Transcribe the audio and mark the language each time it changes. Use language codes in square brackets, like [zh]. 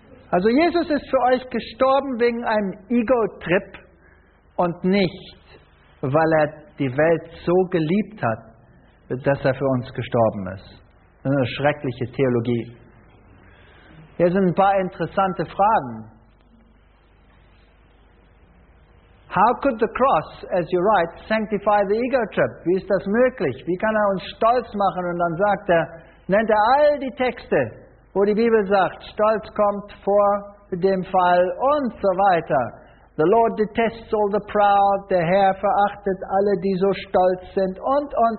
[de] Also Jesus ist für euch gestorben wegen einem Ego-Trip und nicht, weil er die Welt so geliebt hat, dass er für uns gestorben ist. Das ist eine schreckliche Theologie. Hier sind ein paar interessante Fragen. [en] How could the cross, as you write, sanctify the ego trip? [de] Wie ist das möglich? Wie kann er uns stolz machen? Und dann sagt er, nennt er all die Texte, wo die Bibel sagt, Stolz kommt vor dem Fall und so weiter. [en] The Lord detests all the proud. [de] Der Herr verachtet alle, die so stolz sind und.